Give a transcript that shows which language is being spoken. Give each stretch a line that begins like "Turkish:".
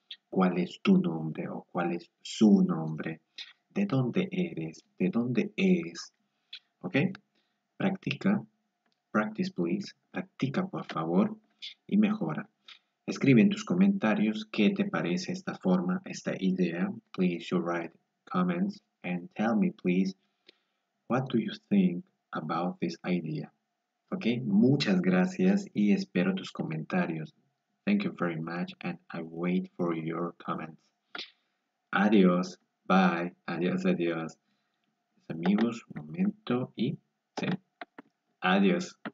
Spanish: ¿Cuál es tu nombre o cuál es su nombre? ¿De dónde eres? ¿De dónde es? ¿Ok? Practica.
English: Practice, please.
Spanish: Practica, por favor, y mejora. Escribe en tus comentarios qué te parece esta forma, esta idea.
English: Please, you write comments and tell me, please, what do you think about this idea?
Spanish: Ok, muchas gracias y espero tus comentarios.
English: Thank you very much and I wait for your comments.
Spanish: Adiós, bye, adiós, adiós. Amigos, un momento y sí. Adiós.